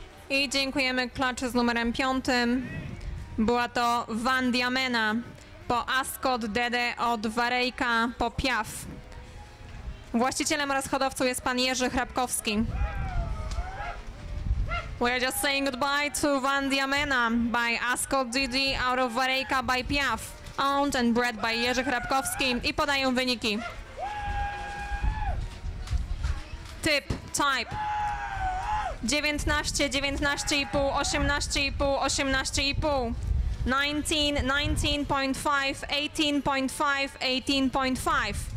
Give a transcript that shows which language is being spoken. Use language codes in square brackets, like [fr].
[pl] I dziękujemy klaczy z numerem 5. Była to Van Diamena, po Ascot Dede od Warejka, po Piaf. Właścicielem oraz hodowcą jest pan Jerzy Hrabkowski. [en] We are just saying goodbye to Van Diamena by Ascot Dede out of Warejka by Piaf. Owned and bred by Jerzy Hrabkowski [pl] i podają wyniki. Typ, type. 19, 19,5, 18,5, 18,5. [en] 19, 19.5, 18.5, 18.5.